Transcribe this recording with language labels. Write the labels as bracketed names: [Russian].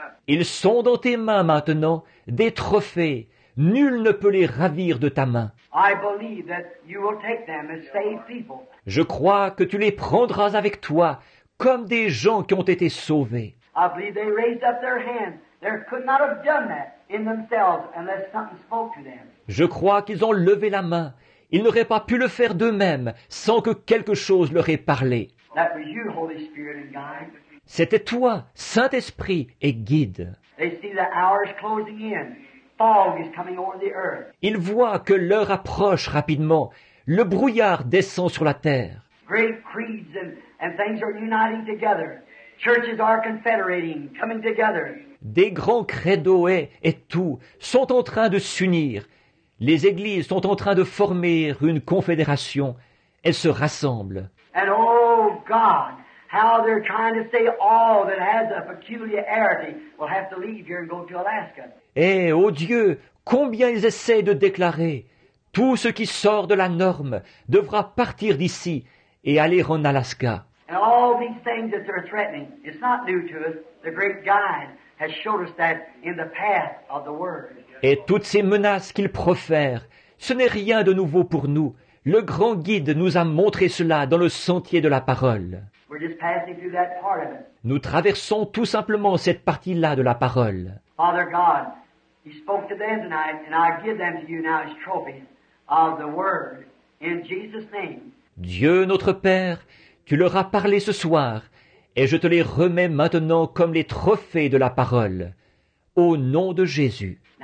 [French] Ils sont dans tes mains maintenant, des trophées. Nul ne peut les ravir de ta main. [English] I believe that you will take them as saved people. [French] Je crois que tu les prendras avec toi comme des gens qui ont été sauvés. [English] I believe they raised up their hands. They could not have done that in themselves unless something spoke to them. [French] Je crois qu'ils ont levé la main. Ils n'auraient pas pu le faire d'eux-mêmes sans que quelque chose leur ait parlé. [English] That was you, Holy Spirit and guide. [French] C'était toi, Saint-Esprit et guide. [English] They see the hours closing in. Fog is coming over the earth. [French] Ils voient que l'heure approche rapidement. Le brouillard descend sur la terre. [English] Great creeds and things are uniting together. Churches are confederating, coming together. [French] Des grands credos et tout sont en train de s'unir. Les églises sont en train de former une confédération. Elles se rassemblent. [English] And oh God, how they're trying to say all that has a peculiarity will have to leave here and go to Alaska. [French] Eh, oh Dieu, combien ils essaient de déclarer. Tout ce qui sort de la norme devra partir d'ici et aller en Alaska. [English] And all these things that they're threatening, it's not new to us. The great guide has showed us that in the path of the word. [French] Et toutes ces menaces qu'ils profèrent, ce n'est rien de nouveau pour nous. Le grand guide nous a montré cela dans le sentier de la parole. [English] We're just passing through that part of it. [French] Nous traversons tout simplement cette partie-là de la parole. [English] Father God, he spoke to them tonight, and I give them to you now as trophies of the word in Jesus' name. [French] Dieu notre Père, tu leur as parlé ce soir, et je te les remets maintenant comme les trophées de la parole. Au nom de Jésus.